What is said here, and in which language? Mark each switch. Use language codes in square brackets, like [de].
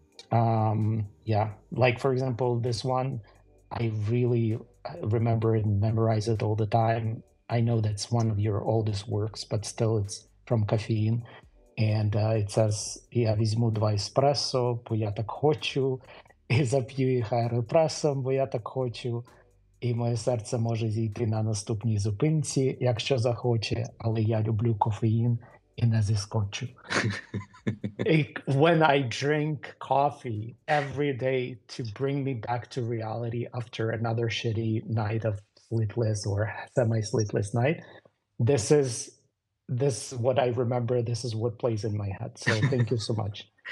[en] Like for example, this one, I really remember it and memorize it all the time. I know that's one of your oldest works, but still it's from Caffeine. And it says, [uk] я візьму два еспрессо, бо я так хочу, і зап'ю їх аеропресом, бо я так хочу, і моє серце може зійти на наступній зупинці, якщо захоче, але я люблю кофеїн і не зіскочу. [en] When I drink coffee every day to bring me back to reality after another shitty night of sleepless or semi-sleepless night, this is what I remember, this is what plays in my head. So thank you so much.